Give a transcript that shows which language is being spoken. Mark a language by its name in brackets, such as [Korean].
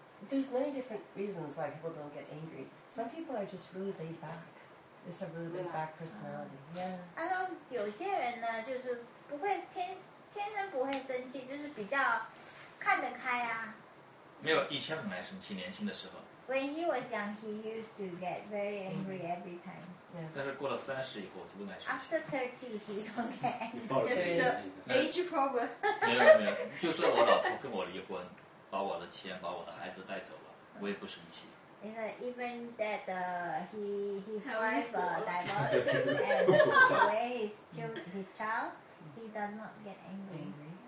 [English] There's many different reasons why people don't get angry. Some people are just really laid back. It's a really laid back personality. Yeah. I don't. [Chinese] 有些人呢，就是不会天生不会生气，就是比较看得开啊。没有，以前很爱生气，年轻的时候。 [English] When he was young, he used to get very angry every time. [Chinese] 但是过了三十以后就不爱生气。 [English] After 30, he don't get angry. It's an age problem. [Chinese] 没有，就算我老婆跟我离婚，把我的钱、把我的孩子带走了，我也不生气。 [English] It's like even that his wife divorced and away his child, he does not get angry.